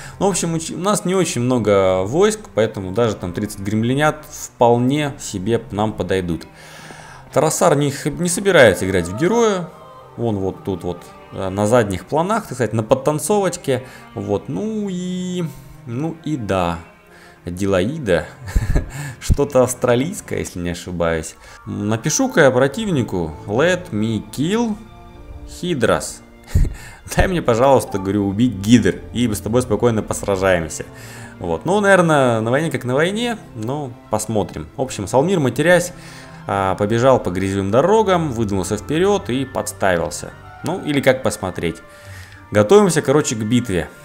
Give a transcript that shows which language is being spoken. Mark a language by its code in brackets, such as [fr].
[ru] Ну, в общем, у нас не очень много войск, поэтому даже там 30 гремлинят вполне себе нам подойдут. Тарасар не собирается играть в героя. Он вот тут вот на задних планах, так сказать, на подтанцовочке. Вот, ну и да. Дилаида, что-то австралийское, если не ошибаюсь. Напишу-ка я противнику, [en] let me kill Hydras. [ru] Дай мне, пожалуйста, говорю, убить гидр, и мы с тобой спокойно посражаемся. Вот, ну, наверное, на войне как на войне, но посмотрим. В общем, Салмир, матерясь, побежал по грязевым дорогам, выдвинулся вперед и подставился. Ну, или как посмотреть. Готовимся, короче, к битве.